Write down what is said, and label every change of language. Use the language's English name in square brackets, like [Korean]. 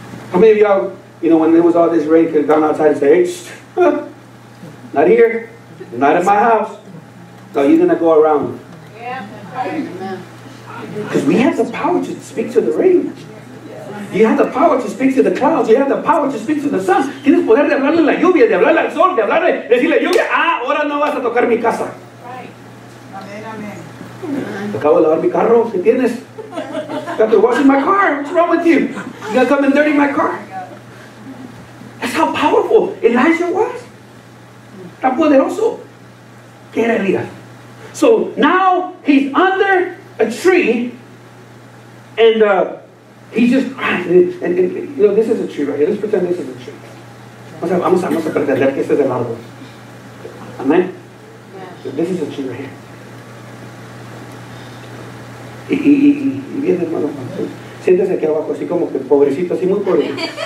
[English] How many of y'all, you know, when there was all this rain, could have gone outside and say, hey, not here, not in my house, so you're going to go around. Because we have the power to speak to the rain. You have the power to speak to the clouds. You have the power to speak to the sun. [Spanish] Tienes poder de hablarle la lluvia, de hablarle al sol, de hablarle, decirle lluvia, ahora no vas a tocar mi casa. Amen. Acabo de lavar mi carro, ¿qué tienes? [English] You have to wash my car. What's wrong with you? You got to come and dirty my car. That's how powerful Elijah was. [Spanish] Tan poderoso. ¿Qué era Elías? [English] So now he's under a tree and he just cries, and you know, this is a tree right here. Let's pretend this is a tree. [Spanish] Vamos a pretender que este es el árbol. Amen? [English] Yeah. So this is a tree right here. [Spanish] Y viene, hermano. Siéntese aquí abajo, así como que pobrecito, así muy pobrecito.